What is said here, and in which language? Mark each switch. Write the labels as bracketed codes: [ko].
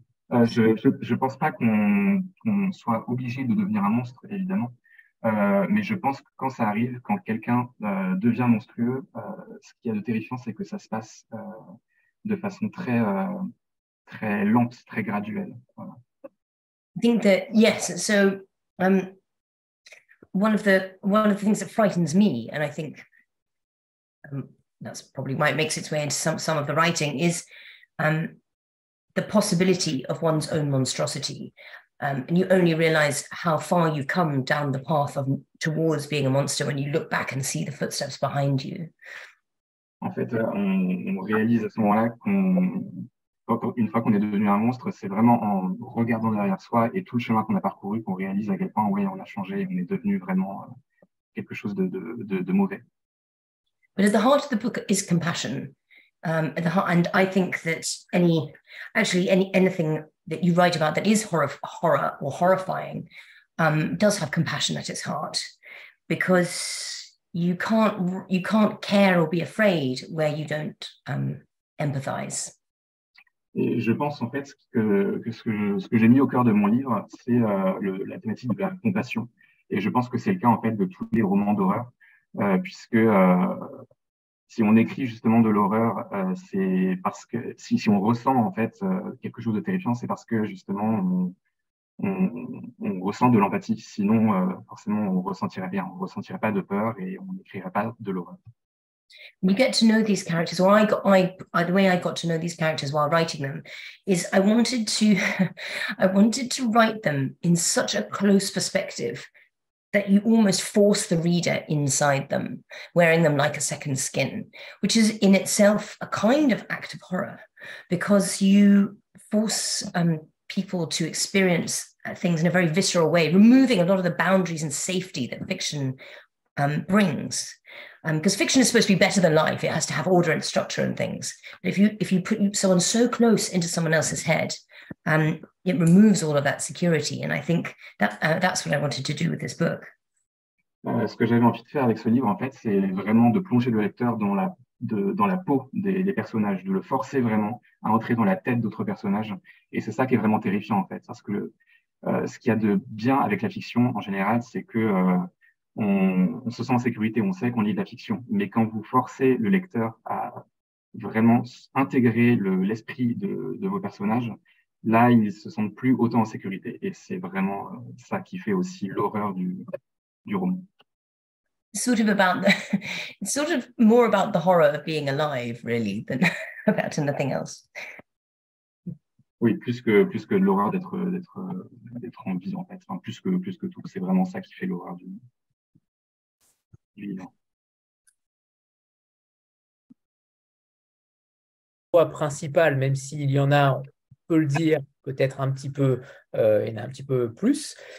[fr] Je pense pas qu'on soit obligé de devenir un monstre, évidemment, mais je pense que quand ça arrive, quand quelqu'un devient monstrueux, ce qu'il y a de terrifiant, c'est que ça se passe de façon très très lente, très graduelle. Voilà. [en] I think that yes, so one of the things that frightens me, and I think that's probably why it makes its way into some of the writing is. The possibility of one's own monstrosity, and you only realize how far you've come down the path of towards being a monster when you look back and see the footsteps behind you. [fr] En fait, on réalise à ce moment-là qu'une fois qu'on est devenu un monstre, c'est vraiment en regardant derrière soi et tout le chemin qu'on a parcouru qu'on réalise à quel point, ouais, on a changé, on est devenu vraiment quelque chose de mauvais. [en] But at the heart of the book is compassion. And I think that anything that you write about that is horror or horrifying does have compassion at its heart, because you can't care or be afraid where you don't empathize. [fr] Et je pense en fait que ce que j'ai mis au cœur de mon livre, c'est la thématique de la compassion, et je pense que c'est le cas en fait de tous les romans d'horreur, puisque si on écrit justement de l'horreur, c'est parce que si on ressent en fait quelque chose de terrifiant, c'est parce que justement on ressent de l'empathie. Sinon, forcément, on ressentirait pas de peur et on n'écrirait pas de l'horreur. [en] You get to know these characters. Well, the way I got to know these characters while writing them is I wanted to write them in such a close perspective that you almost force the reader inside them, wearing them like a second skin, which is in itself a kind of act of horror, because you force people to experience things in a very visceral way, removing a lot of the boundaries and safety that fiction brings. Because fiction is supposed to be better than life. It has to have order and structure and things. But if you put someone so close into someone else's head, it removes all of that security. And I think that's what I wanted to do with this book. [fr] Ce que j'avais envie de faire avec ce livre, en fait, c'est vraiment de plonger le lecteur dans la peau des personnages, de le forcer vraiment à entrer dans la tête d'autres personnages. Et c'est ça qui est vraiment terrifiant, en fait. Parce que ce qu'il y a de bien avec la fiction, en général, c'est que... On se sent en sécurité, on sait qu'on lit de la fiction. Mais quand vous forcez le lecteur à vraiment intégrer l'esprit de vos personnages, là, ils ne se sentent plus autant en sécurité. Et c'est vraiment ça qui fait aussi l'horreur du roman. [en] Sort of about the, sort of more about the horror of being alive, really, than about anything else. [fr] Oui, plus que l'horreur d'être en vie, en fait. Enfin, plus que tout, c'est vraiment ça qui fait l'horreur du roman. Principal, même s'il y en a, on peut le dire, peut-être un petit peu, il y en a un petit peu plus.